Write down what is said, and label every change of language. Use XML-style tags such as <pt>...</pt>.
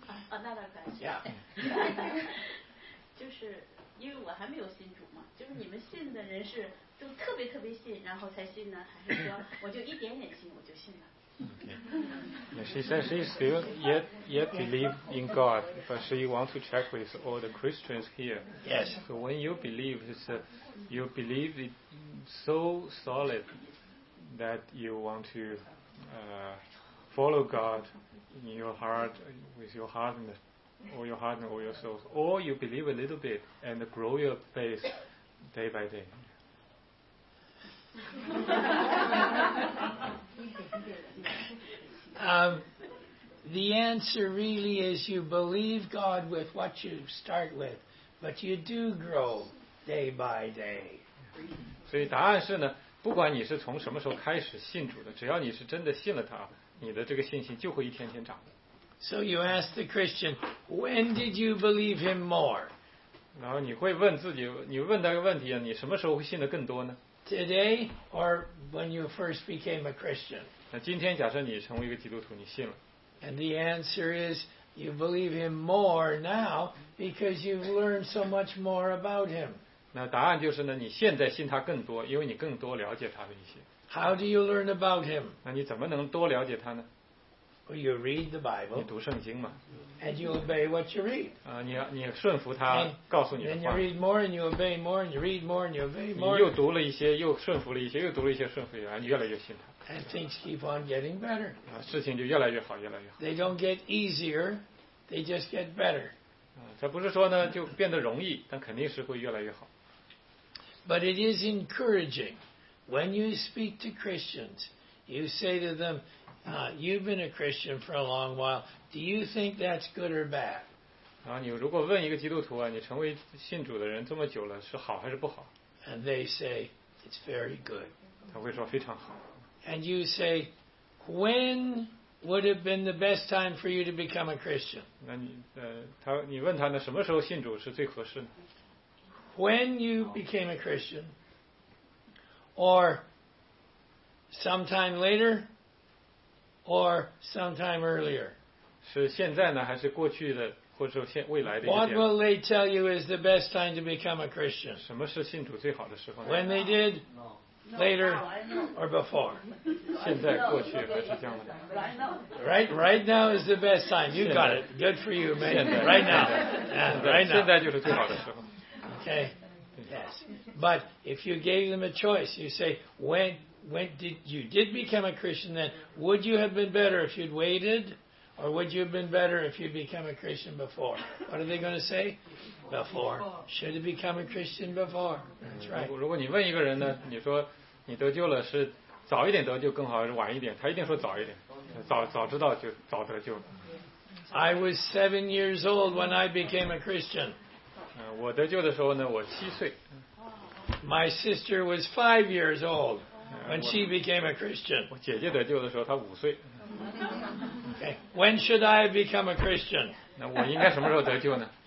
<en>Another question. Yeah.</en> <zh>就是因为我还没有信主嘛，就是你们信的人是都特别特别信，然后才信呢，还是说我就一点点信我就信了？</zh> <en>Okay. She says she still yet believe in God, but she wants to check with all the Christians here. Yes. So when you believe, it's a, you believe it so solid that you want to follow God. In your heart, with your heart and all your heart and all your soul, or you believe a little bit and grow your faith day by day. The answer really is you believe God with what you start with, but you do grow day by day.</en> <zh>所以答案是呢，不管你是从什么时候开始信主的，只要你是真的信了他。你的这个信心就会一天天长。</zh> <en>So you ask the Christian, when did you believe him more?</en> <zh>然后你会问自己，你问他个问题，你什么时候会信得更多呢？</zh> <en>Today or when you first became a Christian?</en> <zh>那今天假设你成为一个基督徒，你信了。</zh> <en>And the answer is, you believe him more now because you've learned so much more about him.</en> <zh>那答案就是呢，你现在信他更多，因为你更多了解他的一些。</zh> <en>How do you learn about him?</en> <zh>那你怎么能多了解他呢？</zh> <en>Well, you read the Bible.</en> <zh>你读圣经嘛。</zh> <en>And you obey what you read.</en> <zh>你顺服他告诉你的话。</zh> <en>And you read more and you obey more and you read more and you obey more.</en> <zh>你又读了一些，又顺服了一些，又读了一些，顺服了一些，越来越信他。</zh> <en>And things keep on getting better.</en> <zh>事情就越来越好，越来越好。</zh> <en>They don't get easier, they just get better.</en> <zh>这不是说呢，就变得容易，但肯定是会越来越好。</zh> <en>But it is encouraging. When you speak to Christians, you say to them, you've been a Christian for a long while. Do you think that's good or bad?</en> <zh>然后你如果问一个基督徒啊，你成为信主的人这么久了，是好还是不好？</zh> <en>And they say, it's very good.</en> <zh>他会说非常好。</zh> <en>And you say, when would have been the best time for you to become a Christian?</en> <zh>那你问他呢，什么时候信主是最合适呢？</zh> <en>When you became a Christian,Or sometime later, or sometime earlier.</en> <zh>是现在呢，还是过去的，或者说未来的一</zh> <en>天 ？What will they tell you is the best time to become a Christian?</en> <zh>什么是信主最好的时候</zh> <en>？When they did, no. later, no. or before.</en> <zh>现在、过去还是将来</zh> <en>？Right, right now is the best time. You got it. Good for you, man. Right now, right now.</en> <zh>现在就是最好的时候。</zh> <en>Okay. Yes, but if you gave them a choice, you say, when did you did become a Christian then, would you have been better if you'd waited, or would you have been better if you'd become a Christian before? What are they going to say? before? Should he become a Christian before? That's right.</en> <zh>如果你问一个人呢，你说你得救了是早一点得救更好，还是晚一点？他一定说早一点，早知道就早得救。</zh> <en>I was 7 years old when I became a Christian.</en> <zh>我得救的时候呢，我七岁。</zh> <en>My sister was 5 years old when she became a Christian.</en> <zh>我姐姐得救的时候，她五岁。</zh> <en>Okay. When should I have become a Christian?</en> <zh>那我应该什么时候得救呢？</zh>